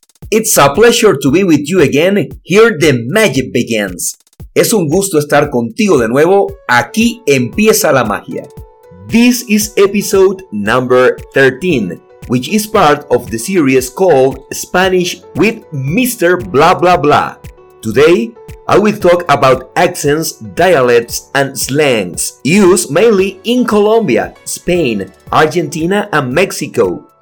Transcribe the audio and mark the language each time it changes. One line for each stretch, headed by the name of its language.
English: It's a pleasure to be with you again. Here the magic begins.
Spanish: Es un gusto estar contigo de nuevo. Aquí empieza la magia.
English: This is episode number 13, which is part of the series called Spanish with Mr. Blah Blah Blah. Today, I will talk about accents, dialects, and slangs used mainly in Colombia, Spain, Argentina, and Mexico.